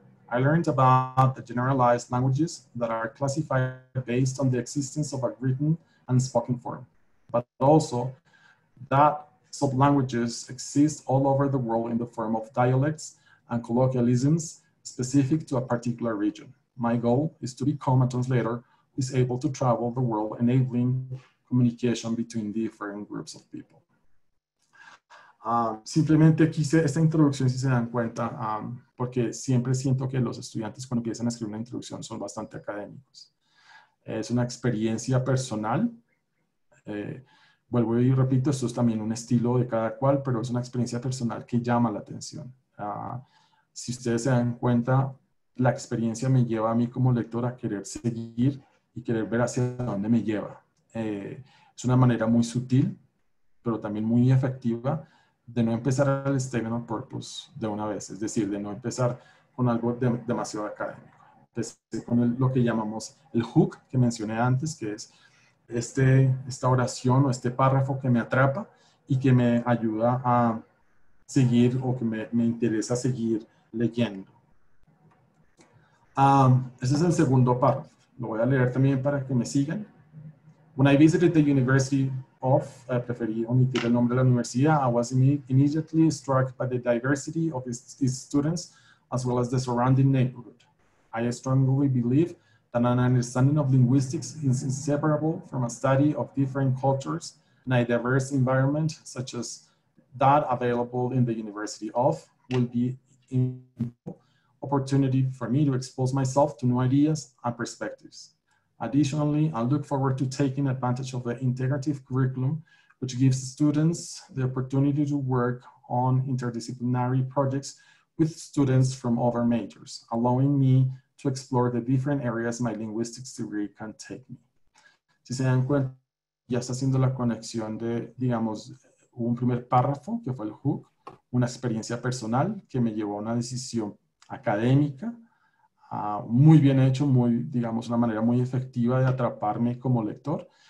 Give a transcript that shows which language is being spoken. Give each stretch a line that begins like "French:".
English: I learned about the generalized languages that are classified based on the existence of a written and spoken form, but also that sublanguages exist all over the world in the form of dialects and colloquialisms specific to a particular region. My goal is to become a translator who is able to travel the world, enabling communication between different groups of people.
Spanish: Simplemente quise esta introducción, si se dan cuenta, porque siempre siento que los estudiantes cuando empiezan a escribir una introducción son bastante académicos. Es una experiencia personal. Vuelvo y repito, esto es también un estilo de cada cual, pero es una experiencia personal que llama la atención. Si ustedes se dan cuenta, la experiencia me lleva a mí como lector a querer seguir y querer ver hacia dónde me lleva. Es una manera muy sutil, pero también muy efectiva, de no empezar el statement of purpose de una vez, es decir, de no empezar con algo demasiado académico. Empecé con lo que llamamos el hook que mencioné antes, que es esta oración o este párrafo que me atrapa y que me ayuda a seguir o que me interesa seguir leyendo. Ese es el segundo párrafo. Lo voy a leer también para que me sigan.
English: When I visited the University of,
Spanish: preferí omitir el nombre de la universidad,
English: I was immediately struck by the diversity of its students as well as the surrounding neighborhood. I strongly believe that an understanding of linguistics is inseparable from a study of different cultures in a diverse environment such as that available in the University of will be an opportunity for me to expose myself to new ideas and perspectives. Additionally, I look forward to taking advantage of the integrative curriculum, which gives students the opportunity to work on interdisciplinary projects with students from other majors, allowing me to explore the different areas my linguistics degree can take me.
Spanish: Si se dan cuenta, ya está haciendo la conexión de, digamos, un primer párrafo, que fue el hook, una experiencia personal que me llevó a una decisión académica. Muy bien hecho, muy, digamos, una manera muy efectiva de atraparme como lector.